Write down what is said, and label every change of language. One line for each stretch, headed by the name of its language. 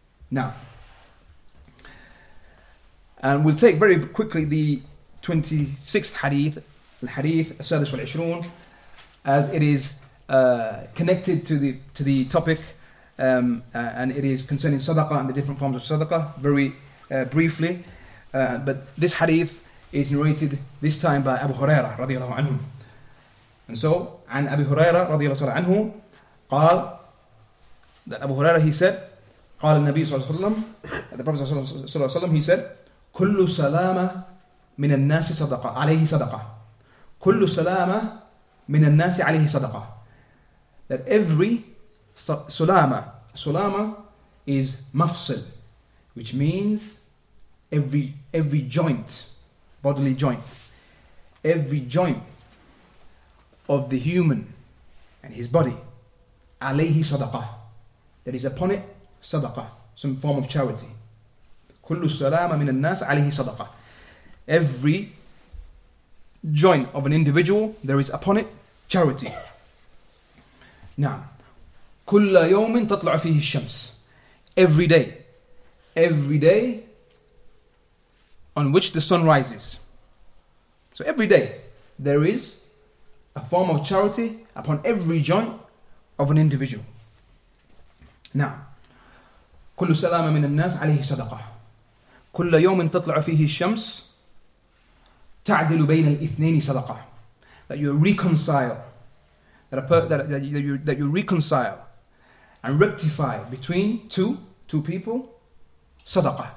English: Now, and we'll take very quickly the 26th hadith, al-hadith al-sadis wal-ishroon, as it is connected to the topic, and it is concerning sadaqah and the different forms of sadaqah, very briefly. But this hadith is narrated this time by Abu Huraira radiallahu anhu. And so,
Arabic: عن أبي هريرة رضي الله عنه قال,
English: that Abu Huraira, he said,
Arabic: قال النبي صلى الله عليه وسلم,
English: the Prophet
Arabic: صلى الله عليه وسلم,
English: he said,
Arabic: كل سلامة من الناس صدقة عليه صدقة. كل سلامة من الناس عليه صدقة.
English: That every سلامة is مفصل, which means every joint, bodily joint, every joint of the human and his body, alayhi sadaqah, that is upon it sadaqah, some form of charity.
Arabic: Kullu salama min al-nas alayhi sadaqah.
English: Every joint of an individual, there is upon it charity. Na'am.
Arabic: Kulla yawmin tatla'u fihi shams.
English: Every day on which the sun rises. So every day there is a form of charity upon every joint of an individual.
Arabic: Now, كل سلامة من الناس عليه صدقة. كل يوم تطلع فيه الشمس تعدل بين الاثنين صدقة.
English: That you reconcile, that you reconcile and rectify between two people, صدقة.